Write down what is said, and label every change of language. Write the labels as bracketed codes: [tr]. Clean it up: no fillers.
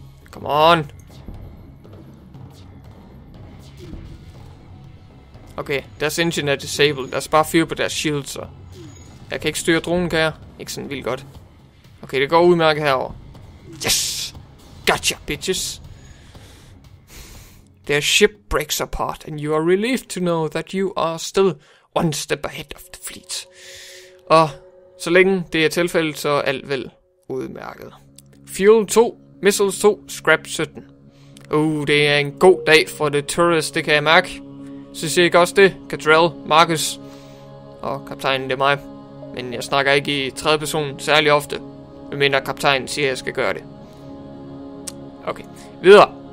[en] Come on. [da] Okay, deres engine er disabled. Lad os bare fyre på deres shield, så. Jeg kan ikke styre dronen, kan jeg? Ikke sådan vildt godt. Okay, det går udmærket herovre. [en] Yes! Gotcha, bitches. Their ship breaks apart, and you are relieved to know that you are still one step ahead of the fleet. [da] Og så længe det er tilfældet, så er alt vel udmærket. [en] Fuel 2, missiles 2, scrap 17. [da] Det er en god dag for the tourists, det kan jeg mærke. Synes I ikke også det? Cadrell, Marcus og kaptajnen, det er mig. Men jeg snakker ikke i tredje person særlig ofte, medmindre kaptajnen siger, at jeg skal gøre det. Okay, videre.